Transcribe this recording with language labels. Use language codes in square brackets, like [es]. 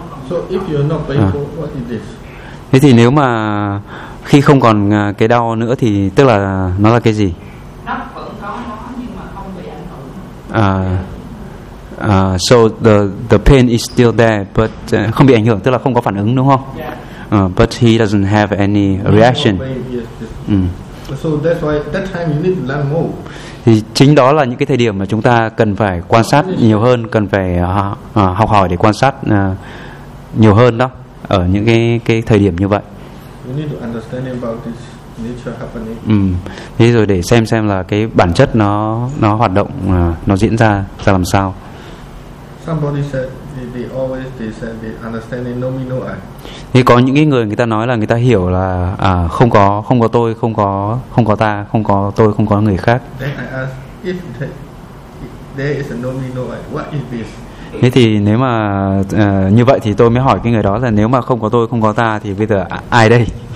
[en] So if you're not painful, what is this? [vi] Thế thì nếu mà khi không còn cái đau nữa thì tức là nó là cái gì? Nó vẫn có nó nhưng mà không bị ảnh hưởng. [en] So the pain is still there but [vi] không bị ảnh hưởng, tức là không có phản ứng đúng không? [en] Yeah. But he doesn't have any reaction. No, no pain, yes. So that's why that time you need to learn more. [vi] Thì chính đó là những cái thời điểm mà chúng ta cần phải quan sát nhiều hơn, cần phải học hỏi để quan sát nhiều hơn đó, ở những cái thời điểm như vậy. [en] You need to understand about this nature happening. [vi] Thế rồi để xem là cái bản chất nó hoạt động, nó diễn ra làm sao. [en] Somebody said they always they said they understanding no me no I. [vi] Thì có những cái người ta nói là người ta hiểu là không có tôi, không có ta, không có tôi, không có người khác. [en] Then I ask if there is a no me no I, what is this? [vi] Thế thì nếu mà như vậy thì tôi mới hỏi cái người đó là nếu mà không có tôi, không có ta thì bây giờ ai đây?